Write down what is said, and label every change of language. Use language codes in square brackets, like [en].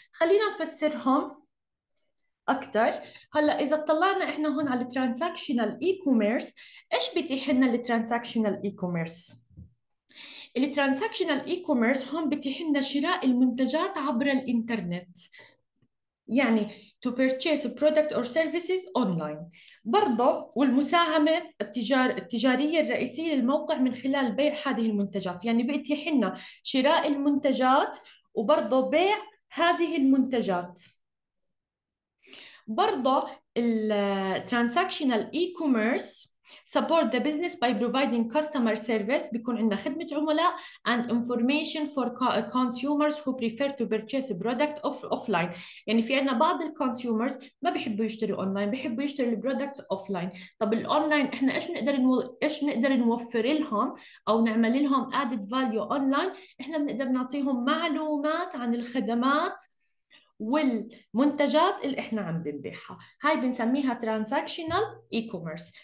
[ar] خلينا نفسرهم أكثر. هلا إذا اطلعنا إحنا هون على الترانزاكشنال إي كوميرس، إيش بتيح لنا الترانزاكشنال إي كوميرس؟ الترانزاكشنال إي كوميرس هون بتيح لنا شراء المنتجات عبر الإنترنت، يعني [en] to purchase a product or services online. [ar] برضه والمساهمة التجارية الرئيسية للموقع من خلال بيع هذه المنتجات، يعني بيتيح لنا شراء المنتجات وبرضه بيع هذه المنتجات. برضه الـ [en] transactional e-commerce support the business by providing customer service، [ar] بيكون عندنا خدمة عملاء [en] and information for consumers who prefer to purchase a product offline. [ar] يعني في عندنا بعض الـ consumers ما بيحبوا يشتروا اونلاين، بيحبوا يشتروا الـ products offline. طب الاونلاين احنا ايش بنقدر نوفر لهم او نعمل لهم added value online؟ احنا بنقدر نعطيهم معلومات عن الخدمات والمنتجات اللي احنا عم بنبيعها، هاي بنسميها ترانزاكشنال اي كوميرس.